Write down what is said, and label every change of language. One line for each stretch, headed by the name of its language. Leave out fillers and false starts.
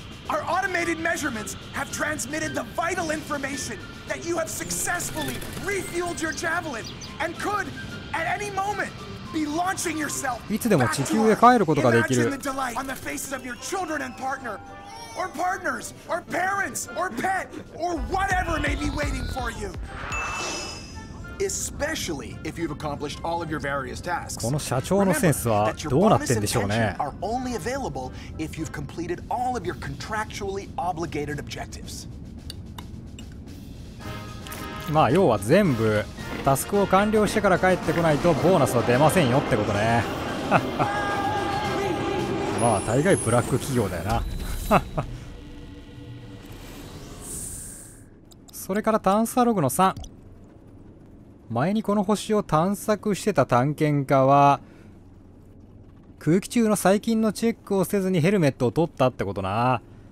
English: Our automated measurements have transmitted the vital information that you have successfully refueled your javelin and could, at any moment, be launching yourself.
Japanese: いつでも地球へ帰ることができる。
English: Imagine the delight on the faces of your children and partner, or partners, or parents, or pet, or whatever may be waiting for you. Especially if you've accomplished all of your various tasks.
Japanese: この社長のセンスはどうなってんでしょうね。
English: Are only available if you've completed all of your contractually obligated objectives.
Japanese: まあ要は全部タスクを完了してから帰ってこないとボーナスは出ませんよってことね。まあ大概ブラック企業だよな。それから探査ログの3。前にこの星を探索してた探検家は空気中の細菌のチェックをせずにヘルメットを取ったってことな。